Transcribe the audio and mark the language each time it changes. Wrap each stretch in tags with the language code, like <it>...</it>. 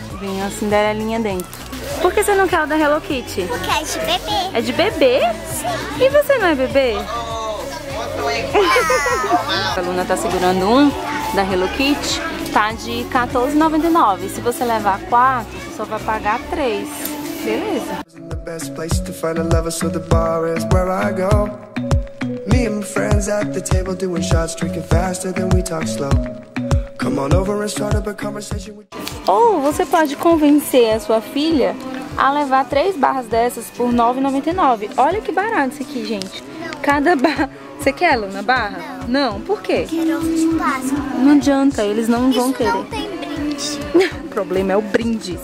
<pt>Vem uma cinderelinha dentro. Por que você não quer o da Hello Kitty? Porque é de bebê. É de bebê? Sim. E você não é bebê? A Luna tá segurando um da Hello Kitty. Tá de R$14,99. Se você levar 4, você só vai pagar 3. Beleza?</pt> <en>The best place to find a lover, so the bar is where I go. Me and my friends at the table doing shots, drinking faster than we talk slow. Come on over and start up a conversation with you.</en> <pt>Ou você pode convencer a sua filha a levar 3 barras dessas por R$9,99. Olha que barato isso aqui, gente. Não. Cada barra... Você quer, Luna, barra? Não. Não? Por quê? Quero ovo de Páscoa. Não adianta, eles não isso vão não querer. Isso não tem brinde. O problema é o brinde.</pt>